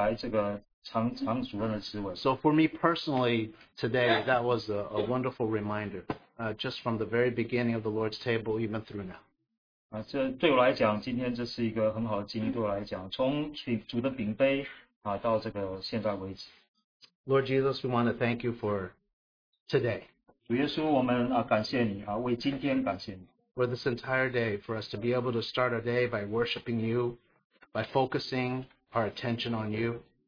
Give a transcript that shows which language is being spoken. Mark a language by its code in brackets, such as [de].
[zh] 像我们每次我们能够专注在主身上，我们忘记我们自己，我们能够来一起来这个尝主任的滋味。 [en] So for me personally today, that was a wonderful reminder, just from the very beginning of the Lord's table even through now. [zh] 这对我来讲，今天这是一个很好的经历，对我来讲，从主的饼杯到这个现在为止。 [en] Lord Jesus, we want to thank you for today. [zh] 主耶稣，我们感谢你，为今天感谢你。 [en] For this entire day, for us to be able to start our day by worshiping you, by focusing our attention on you.